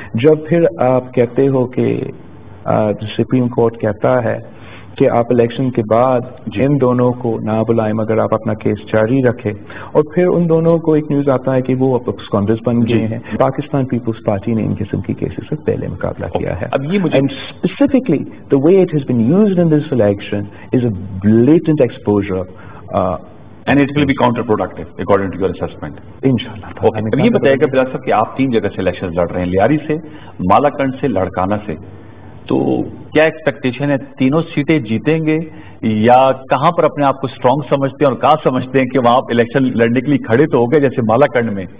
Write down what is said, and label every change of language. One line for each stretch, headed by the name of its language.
Urdu: جب پھر آپ کہتے ہو کہ سپریم کورٹ کہتا ہے کہ آپ الیکشن کے بعد ان دونوں کو نہ بلائیں مگر آپ اپنا کیس جاری رکھیں, اور پھر ان دونوں کو ایک نیوز آتا ہے کہ وہ اب اسکانڈرز بن گئے ہیں. پاکستان پیپلز پارٹی نے ان قسم کی کیسز سے پہلے مقابلہ کیا ہے. اب یہ مجھے
English: specifically the way it has been used in this election is a blatant exposure and it will be counterproductive according to your assessment
Urdu: ان شاء اللہ. اب یہ بتائیے گا بلال صاحب کہ آپ تین جگہ سے الیکشن لڑ رہے ہیں, لیاری سے, مالاکنڈ سے, لڑکانہ سے, تو کیا ایکسپیکٹیشن ہے تینوں سیٹیں جیتیں گے یا کہاں پر اپنے آپ کو اسٹرانگ سمجھتے ہیں اور کہاں سمجھتے ہیں کہ وہاں آپ الیکشن لڑنے کے لیے کھڑے تو ہو گئے جیسے مالاکنڈ میں؟